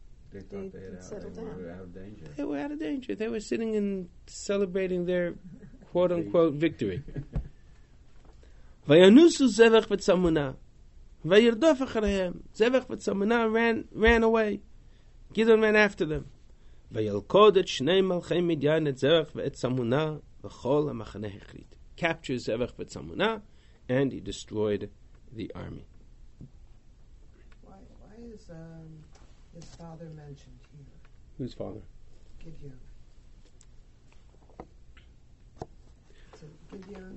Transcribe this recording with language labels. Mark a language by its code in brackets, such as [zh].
[en] they thought they were out of danger. They were out of danger. They were sitting and celebrating their quote-unquote victory. [he] Vayanusu zevach v'tzamuna, vayirdof acharehem. [en] Zevach v'tzamuna ran away. Gidon ran after them. [he] וילכוד את שני מלכי מדיין את זרח ואת סמונה וכל המחנה החליט. [en] Captured זרח וצמונה and he destroyed the army. Why is his father mentioned here? Whose father? Gideon.